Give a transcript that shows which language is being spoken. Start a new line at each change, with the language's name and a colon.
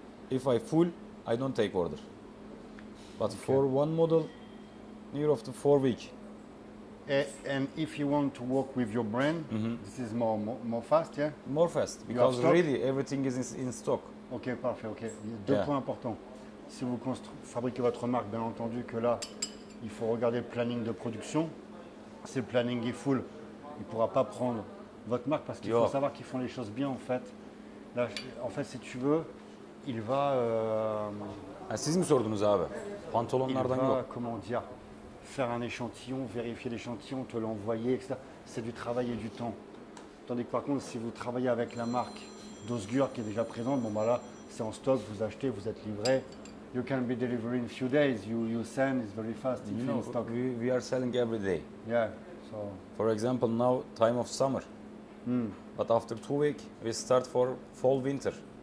English: If I full, I don't take order. But okay. For one model, near of the 4 weeks. And if you want to work with your brand, mm-hmm. This is more fast, yeah? More fast, because really everything is in stock. Okay, perfect, okay.
French: Deux points importants. Si vous fabriquez votre marque, bien entendu que là, il faut regarder le planning de production. Si le planning est full, il ne pourra pas prendre votre marque parce qu'il faut savoir qu'ils font les choses bien en fait. Là, en fait, si tu veux, il va...
Turkish: Siz mi sordunuz abi? Pantolonlardan yok.
French: Comment dire? Faire un échantillon, vérifier l'échantillon, te l'envoyer, etc. C'est du travail et du temps. Tandis que par contre, si vous travaillez avec la marque d'Osgur qui est déjà présente, bon bah là, c'est en stock, vous achetez, vous êtes livré.
English: You can be delivering in a few days. You send is very fast. You know, stock. We are selling every day. Yeah. So. For example, now time of summer. Mm. But after 2 weeks, we start for fall winter.